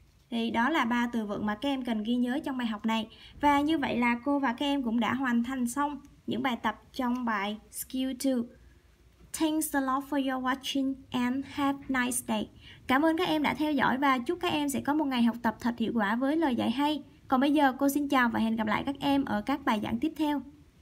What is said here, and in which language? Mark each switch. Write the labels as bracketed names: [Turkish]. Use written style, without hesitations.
[Vietnamese] Thì đó là ba từ vựng mà các em cần ghi nhớ trong bài học này. Và như vậy là cô và các em cũng đã hoàn thành xong những bài tập trong bài Skill 2. [English] Thanks a lot for your watching and have a nice day. [Vietnamese] Cảm ơn các em đã theo dõi và chúc các em sẽ có một ngày học tập thật hiệu quả với lời dạy hay. Còn bây giờ cô xin chào và hẹn gặp lại các em ở các bài giảng tiếp theo.